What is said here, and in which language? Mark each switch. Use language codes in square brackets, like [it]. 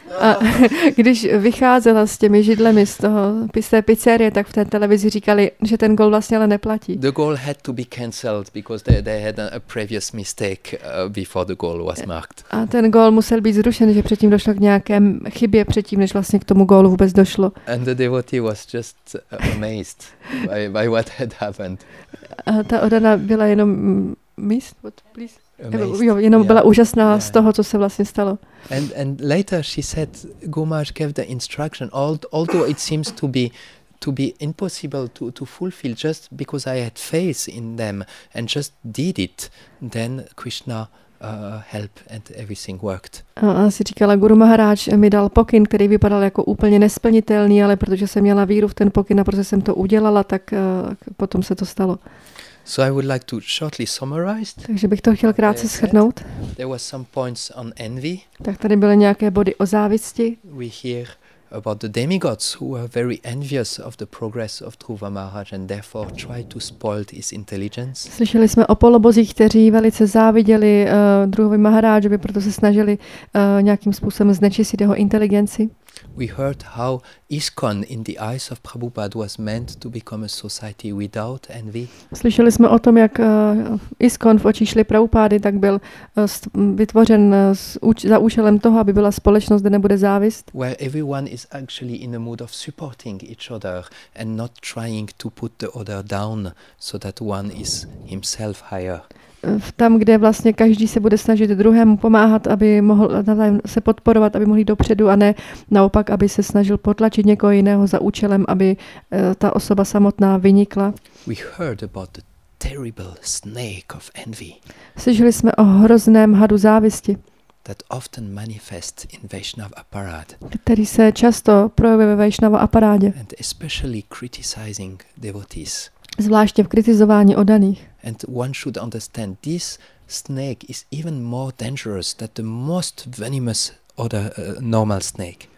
[cs] A když vycházela s těmi židlemi z toho pisté pizzerie, tak v té televizi říkali, že ten gól vlastně ale neplatí. [en] The goal had to be cancelled because they had a previous mistake before the goal was marked. [cs] A ten gól musel být zrušen, že předtím došlo k nějaké chybě předtím, než vlastně k tomu gólu vůbec došlo. [en] And the devotee was just amazed by what had happened. [cs] A ta oddaná byla jenom [en] amazed, what, please? [cs] Jo, jenom byla úžasná z toho, co se vlastně stalo. [en] And later she said, Gomáš gave the instruction, although it seems to be impossible to fulfill, just because I had faith in them and just did it, then Krishna helped and everything worked. [cs] A asi říkala, Guru Maharaj mi dal pokyn, který vypadal jako úplně nesplnitelný, ale protože jsem měla víru v ten pokyn a protože jsem to udělala, tak potom se to stalo. [en] So I would like to shortly summarize. [cs] Takže bych to chtěl krátce shrnout. [en] There were some points on envy. [cs] Tak tady byly nějaké body o závisti. [en] We hear about the demigods who were very envious of the progress of Dhruva Maharaj and therefore tried to spoil his intelligence. [cs] Slyšeli jsme o polobozích, kteří velice záviděli Dhruvovi Maharajovi, proto se snažili nějakým způsobem znečistit jeho inteligenci. [en] We heard how ISKCON in the eyes of Prabhupada was meant to become a society without envy. [cs] Slyšeli jsme o tom, jak ISKCON v očích Šrily Prabhupády tak byl vytvořen za účelem toho, aby byla společnost, kde nebude závist. [en] Where everyone is actually in a mood of supporting each other and not trying to put the other down so that one is himself higher. [cs] Tam, kde vlastně každý se bude snažit druhému pomáhat, aby mohl se podporovat, aby mohli dopředu, a ne naopak, aby se snažil potlačit někoho jiného za účelem, aby ta osoba samotná vynikla. [en] We heard about the terrible snake of envy. [cs] Slyšeli jsme o hrozném hadu závisti. [en] That often manifests in Vaishnava apparat. [cs] Který se často projevuje ve Vaishnava aparádě. [en] And especially criticizing devotees. [cs] Zvláště v kritizování oddaných. [en] And one should understand this snake is even more dangerous than the most venomous other normal snake.